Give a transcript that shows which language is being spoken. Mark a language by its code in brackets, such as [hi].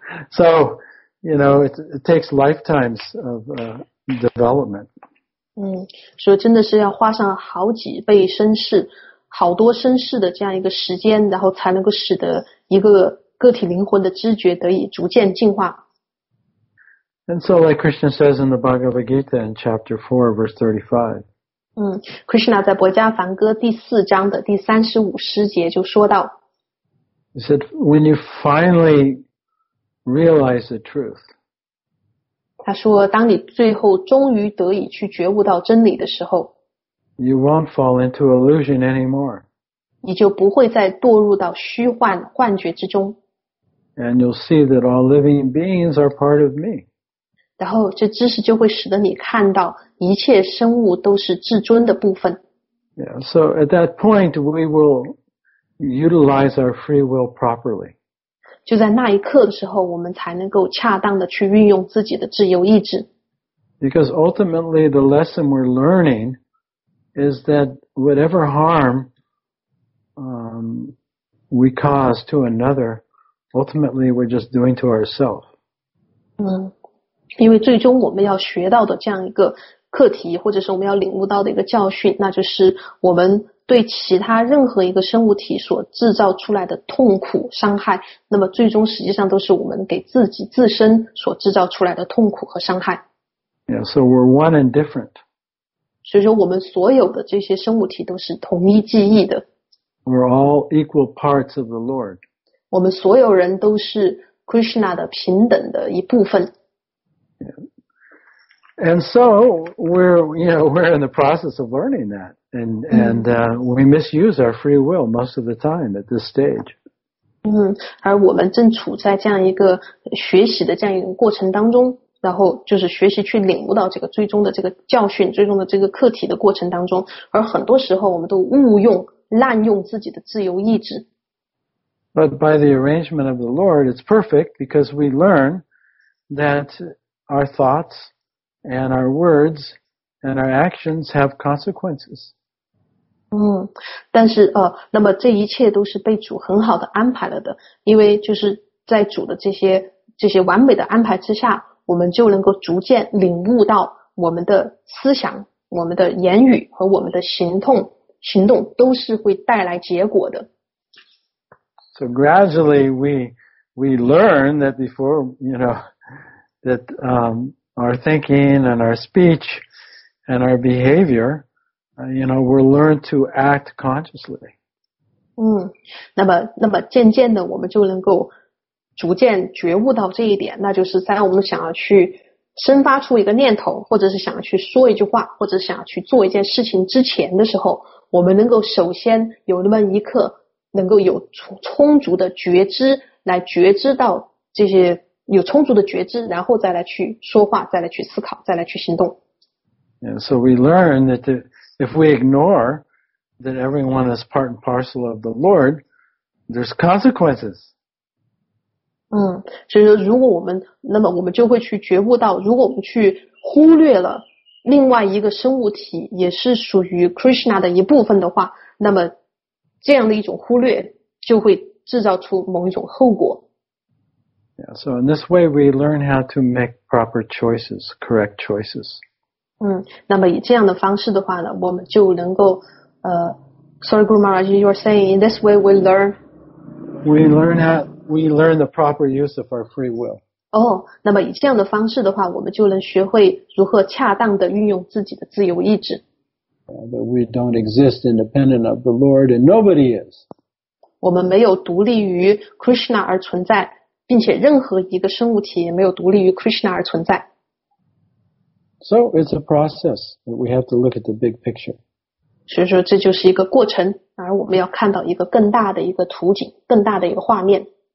[en] So you know, it takes lifetimes of development. [zh] 所以真的是要花上好几倍身世，好多身世的这样一个时间，然后才能够使得一个个体灵魂的知觉得以逐渐进化。 [en] And so like Krishna says in the Bhagavad Gita in chapter 4, verse 35. [zh] Krishna 在薄伽梵歌第四章的第35诗节就说到。 [en] He said, when you finally realize the truth, [zh] 他说当你最后终于得以去觉悟到真理的时候， [en] You won't fall into illusion anymore. [zh] 你就不会再堕入到虚幻幻觉之中。 [en] And you'll see that all living beings are part of me. [zh] 然后这知识就会使得你看到一切生物都是至尊的部分。 [en] Yeah, so at that point, we will utilize our free will properly. [zh] 就在那一刻的时候，我们才能够恰当的去运用自己的自由意志。 [en] Because ultimately the lesson we're learning is that whatever harm, we cause to another, ultimately we're just doing to ourselves. [zh] 因为最终我们要学到的这样一个课题，或者是我们要领悟到的一个教训，那就是我们对其他任何一个生物体所制造出来的痛苦伤害，那么最终实际上都是我们给自己自身所制造出来的痛苦和伤害。 [en] Yeah, so we're one and different. [zh] 所以说我们所有的这些生物体都是同一记忆的。 [en] We're all equal parts of the Lord. [zh] 我们所有人都是 Krishna 的平等的一部分。 [en] And so we're, you know, we're in the process of learning that, and we misuse our free will most of the time at this stage. [zh] 而我们正处在这样一个学习的这样一个过程当中，然后就是学习去领悟到这个最终的这个教训，最终的这个课题的过程当中，而很多时候我们都滥用自己的自由意志。 [en] But by the arrangement of the Lord, it's perfect because we learn that our thoughts. And our words and our actions have consequences. [zh] 但是那么这一切都是被主很好的安排了的，因为就是在主的这些完美的安排之下，我们就能够逐渐领悟到我们的思想、我们的言语和我们的行动都是会带来结果的。 [en] So gradually we learn that before, you know, that, our thinking and our speech and our behavior, you know, we're learned to act consciously. [zh] 那么渐渐的我们就能够逐渐觉悟到这一点，那就是在我们想要去生发出一个念头，或者是想要去说一句话，或者是想要去做一件事情之前的时候，我们能够首先有那么一刻能够有充足的觉知来觉知到这些有充足的觉知，然后再来去说话，再来去思考，再来去行动。 [en] Yeah, so we learn that if we ignore that everyone is part and parcel of the Lord, there's consequences. [zh] 所以说如果我们，那么我们就会去觉悟到，如果我们去忽略了另外一个生物体也是属于 Krishna 的一部分的话，那么这样的一种忽略就会制造出某一种后果。 [en] Yeah, so in this way, we learn how to make proper choices, correct choices. [zh] 那么以这样的方式的话呢，我们就能够 [en] sorry, Guru Maharaj, you are saying in this way we learn the proper use of our free will. [zh] 那么以这样的方式的话，我们就能学会如何恰当的运用自己的自由意志。 [en] That we don't exist independent of the Lord, and nobody is. [zh] 我们没有独立于 Krishna 而存在。并且任何一个生物体也没有独立于 Krishna 而存在。 [en] So it's a process that we have to look at the big picture. [zh] 所以说这就是一个过程，而我们要看到一个更大的一个图景，更大的一个画面。